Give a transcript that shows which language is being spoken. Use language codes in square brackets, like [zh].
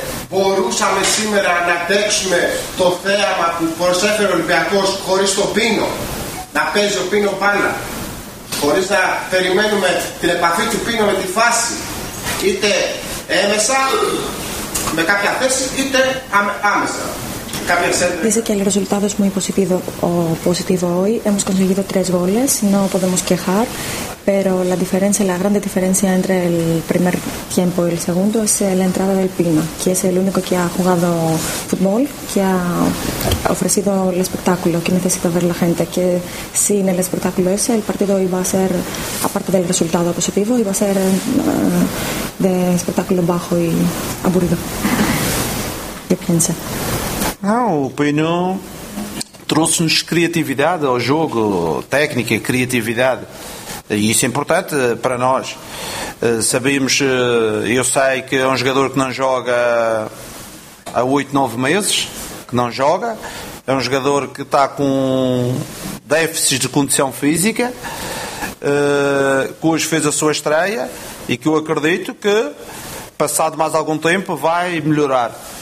[el] Μπορούσαμε σήμερα να αντέξουμε το θέαμα που προσέφερε ο Ολυμπιακός χωρίς το Πίνο? Να παίζει ο Πίνο μπάλα. Χωρίς να περιμένουμε την επαφή του Πίνο με τη φάση. Είτε έμεσα, με κάποια θέση, είτε άμεσα. [es] Dice que el resultado es muy positivo. Hemos conseguido 3 goles, no podemos quejar. pero la diferencia, la grande diferencia entre el primer tiempo y el segundo es la entrada del Pino, que es el único que ha jugado fútbol, que ha ofrecido el espectáculo que necesita ver la gente, que sin el espectáculo ese el partido iba a ser, aparte del resultado positivo, iba a ser de espectáculo bajo y aburrido. ¿Qué piensa? [pt] No, Pino trouxe-nos criatividade ao jogo, técnica, criatividade, e isso é importante para nós. Sabemos, eu sei que é um jogador que não joga há 8, 9 meses, que não joga, é um jogador que está com déficits de condição física, que hoje fez a sua estreia e que eu acredito que, passado mais algum tempo, vai melhorar.